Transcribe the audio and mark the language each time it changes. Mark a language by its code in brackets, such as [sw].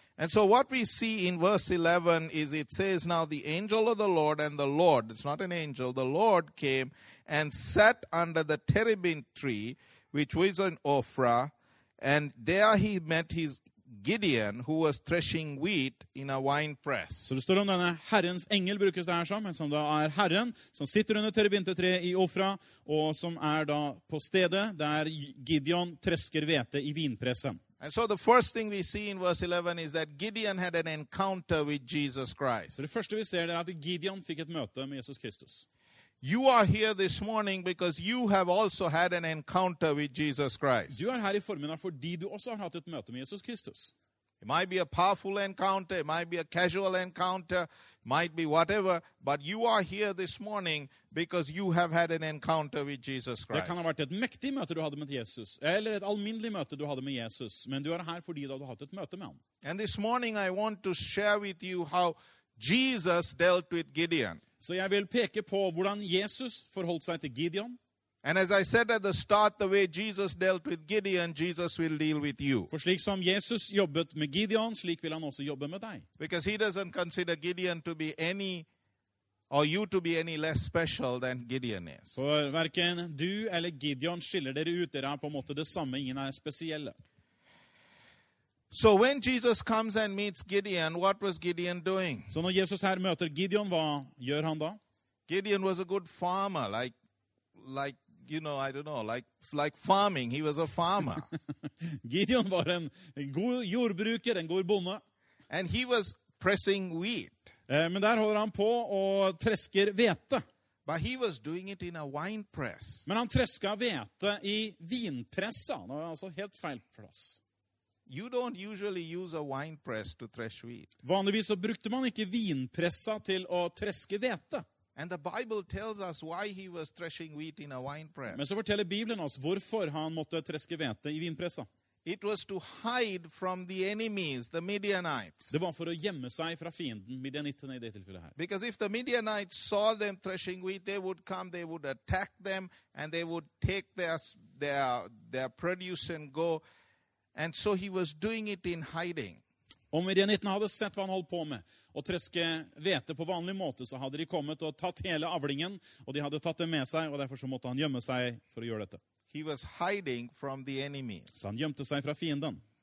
[en] And so what we see in verse 11 is it says now the angel of the Lord and the Lord, it's not an angel, the Lord came and sat under the terebinth tree, which was in Ophrah, and there he met his Gideon, who was threshing wheat in a wine press. [no] Så det står om denne Herrens engel brukes det her som, men som da Herren, som sitter under terebintetreet I Ofra, og som da på stedet der Gideon tresker vete I vinpressen. [en] And so the first thing we see in verse 11 is that Gideon had an encounter with Jesus Christ. [no] Så det første vi ser at Gideon fikk et møte med Jesus Kristus. [en] You are here this morning because you have also had an encounter with Jesus Christ. [no] Du her I formiddag fordi du også hatt et møte med Jesus Kristus. [en] It might be a powerful encounter, it might be a casual encounter, might be whatever, but you are here this morning because you have had an encounter with Jesus Christ. [no] Det kan ha vært et mektig møte du hadde med Jesus, eller et alminnelig møte du hadde med Jesus, men du her fordi du hatt et møte med ham. [en] And this morning I want to share with you how Jesus dealt with Gideon. [no] Så jeg vil peke på hvordan Jesus forholdt seg til Gideon. [en] And as I said at the start, the way Jesus dealt with Gideon, Jesus will deal with you. [no] For slik som Jesus jobbet med Gideon, slik vil han også jobbe med deg. [en] Because he doesn't consider Gideon to be any, or you to be any less special than Gideon is. [no] For hverken du eller Gideon skiller dere ut, dere på en måte det samme, ingen spesielle. [en] So when Jesus comes and meets Gideon, what was Gideon doing? [no] Så når Jesus her møter Gideon, hva gjør han da? [en] Gideon was a good farmer, like you know, I don't know, like farming. He was a farmer. [no] Gideon var en god jordbruker, en god bonde. [en] And he was pressing wheat. [no] Men der holder han på og tresker vete. [en] But he was doing it in a wine press. [no] Men han treska vete I vinpressen. Det altså helt feil for oss. [en] You don't usually use a wine press to thresh wheat. [no] Vanligvis så brukte man ikke vinpressa til å treske vete. [en] And the Bible tells us why he was threshing wheat in a wine press. [no] Men så forteller Bibelen oss hvorfor han måtte treske vete I vinpressa. [en] It was to hide from the enemies, the Midianites. [no] Det var for å gjemme seg fra fienden, Midianitene I det tilfellet her. [en] Because if the Midianites saw them threshing wheat, they would come, they would attack them, and they would take their produce and go. And so he was doing it in hiding. [no] Om Midianitene hadde sett hva han holdt på med, og treske vete på vanlig måte, så hadde de kommet og tatt hele avlingen, og de hadde tatt det med seg, og derfor så måtte han gjemme seg for å gjøre dette. [en] He was hiding from the enemies. [no] Så han gjemte seg fra fienden.